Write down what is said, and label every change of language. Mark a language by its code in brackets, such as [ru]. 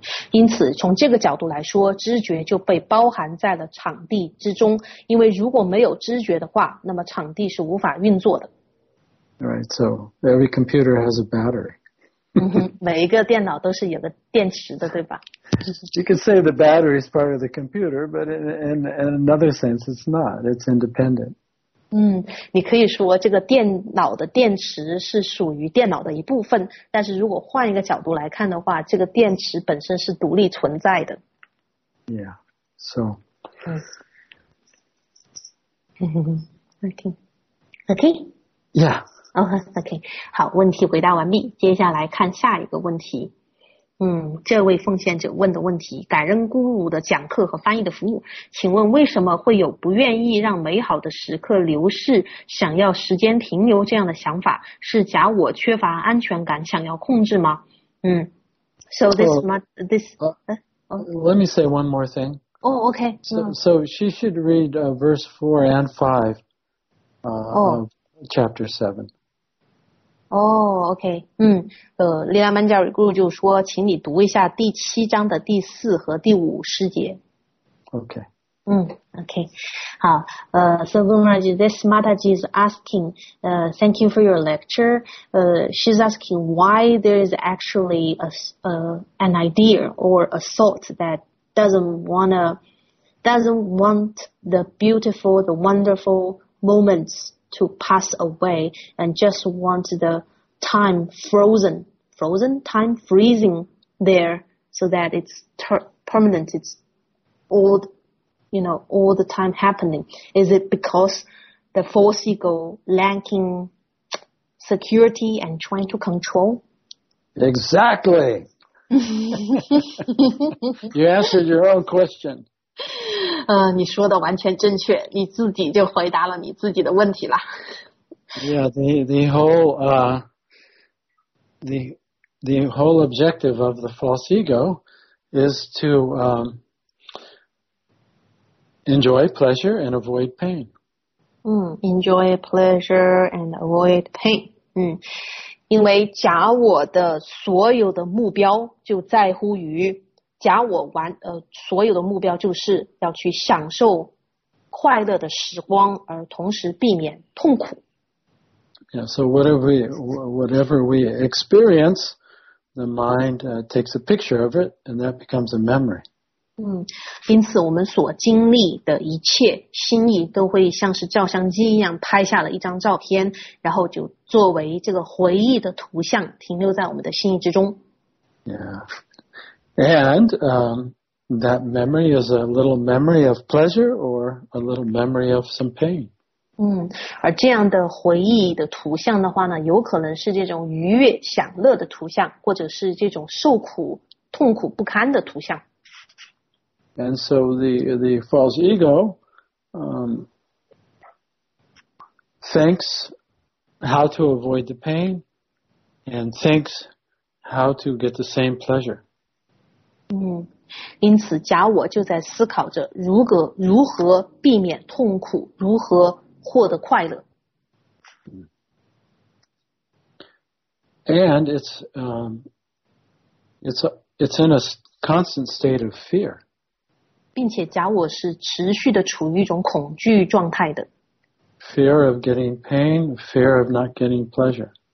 [zh] 因此从这个角度来说，知觉就被包含在了场地之中，因为如果没有知觉的话，那么场地是无法运作的。 [en] Right, so every computer has a battery. [zh] 每一个电脑都是有个电池的，对吧？ [en] You could say the battery is part of the computer, but in another sense, it's not. It's independent. [zh] 你可以说这个电脑的电池是属于电脑的一部分，但是如果换一个角度来看的话，这个电池本身是独立存在的。 [en] Yeah. So. Okay. Okay. Yeah. Okay. [zh] 好，问题回答完毕，接下来看下一个问题。这位奉献者问的问题，感恩咕噜的讲课和翻译的服务，请问为什么会有不愿意让美好的时刻流逝，想要时间停留这样的想法，是假我缺乏安全感想要控制吗？ [en] So let me say one more thing. Oh, okay. So she should read verse 4 and 5 of chapter 7. Okay. [zh] 利拉曼加瑞guru就说，请你读一下第七章的第四和第五诗节。 [en] Okay. Okay. [zh] 好。 [en] So Gumaraj, this Mataji is asking, thank you for your lecture. She's asking why there is actually an idea or a thought that doesn't want the beautiful, the wonderful moments. To pass away and just want the time freezing there so that it's permanent, it's all the time happening. Is it because the false ego lacking security and trying to control? Exactly. You answered your own question. [zh] 你说的完全正确，你自己就回答了你自己的问题了。 [en] Yeah, the whole objective of the false ego is to enjoy pleasure and avoid pain. Enjoy pleasure and avoid pain. [zh] 因为假我的所有的目标就在乎于。假我完所有的目标就是要去享受快乐的时光，而同时避免痛苦。 [en] Yeah, so whatever we experience, the mind takes a picture of it, and that becomes a memory. [zh] 因此我们所经历的一切心意都会像是照相机一样拍下了一张照片，然后就作为这个回忆的图像停留在我们的心意之中。 [en] Yeah. And that memory is a little memory of pleasure or a little memory of some pain. [zh] 而这样的回忆的图像的话呢，有可能是这种愉悦享乐的图像，或者是这种受苦痛苦不堪的图像。 [en] And so the false ego, thinks how to avoid the pain, and thinks how to get the same pleasure. [zh] 因此假我就在思考着如何避免痛苦，如何获得快乐。 [en] And it's in a constant state of fear. [zh] 并且假我是持续的处于一种恐惧状态的。 [en] Fear of getting pain, fear of not getting pleasure.